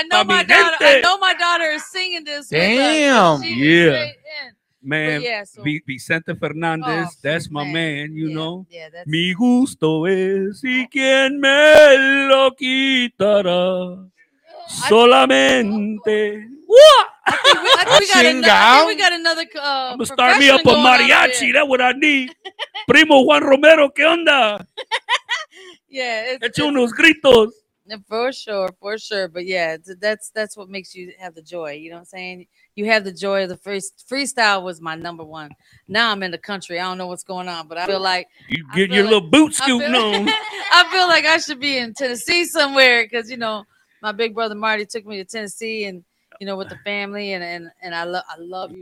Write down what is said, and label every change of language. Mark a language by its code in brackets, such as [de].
[en] I know my daughter is singing this. Damn. Yeah. Man, yeah, so. Vicente Fernandez, oh, that's my man, you yeah, know. Yeah, that's [es] mi gusto es y quien me lo quitará solamente. [en] I think we got another. I'm gonna start me up a mariachi. That's what I need. [es] Primo Juan Romero, ¿qué onda? Yeah, echa unos gritos. [en] For sure. But yeah, that's what makes you have the joy. You know what I'm saying? You have the joy of the freestyle was my number one. Now I'm in the country. I don't know what's going on, but I feel like you getting your little boot scooting on. I feel like I should be in Tennessee somewhere because you know my big brother Marty took me to Tennessee and you know with the family and I love you.